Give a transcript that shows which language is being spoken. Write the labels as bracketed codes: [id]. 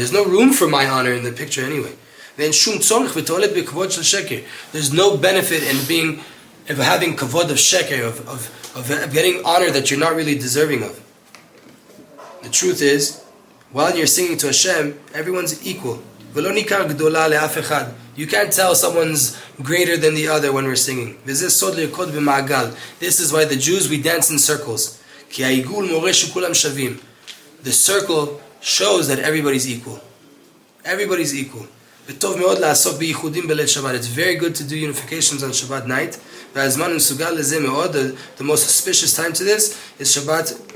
[en] There's no room for my honor in the picture anyway. There's no benefit in being, of having kavod of sheker, of getting honor that you're not really deserving of. The truth is, while you're singing to Hashem, everyone's equal. You can't tell someone's greater than the other when we're singing. This is why the Jews, we dance in circles. [he] כי העיגול מורה שכולם שווים. [en] The circle shows that everybody's equal. Everybody's equal. [he] וטוב מאוד לעסוק בייחודים בליל שבת. [en] It's very good to do unifications on Shabbat night. [he] והזמן מסוגל לזה מאוד. [en] The most auspicious time to this is Shabbat.